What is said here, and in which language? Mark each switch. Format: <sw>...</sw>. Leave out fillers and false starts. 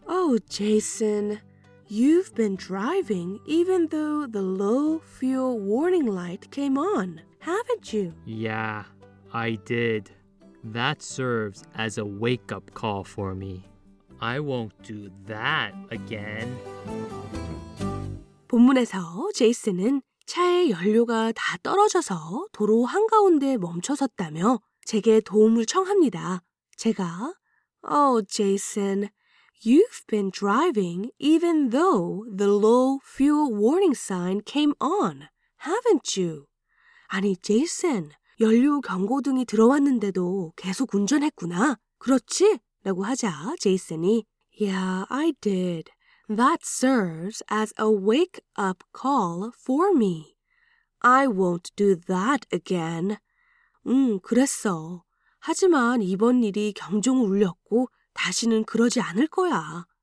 <en>Oh, Jason, you've been driving even though the low fuel warning light came on, haven't you? Yeah, I did. That serves as a wake-up call for me. I won't do that again.</en> <ko>본문에서 제이슨은 차의 연료가 다 떨어져서 도로 한가운데 멈춰섰다며 제게 도움을 청합니다. 제가</ko> <en>Oh, Jason, you've been driving even though the low fuel warning sign came on, haven't you?</en> <ko>아니, 제이슨. 연료 경고등이 들어왔는데도 계속 운전했구나. 그렇지? 라고 하자 제이슨이</ko> <en>Yeah, I did. That serves as a wake-up call for me. I won't do that again.</en> <ko>그랬어. 하지만 이번 일이 경종을 울렸고 다시는 그러지 않을 거야.</ko>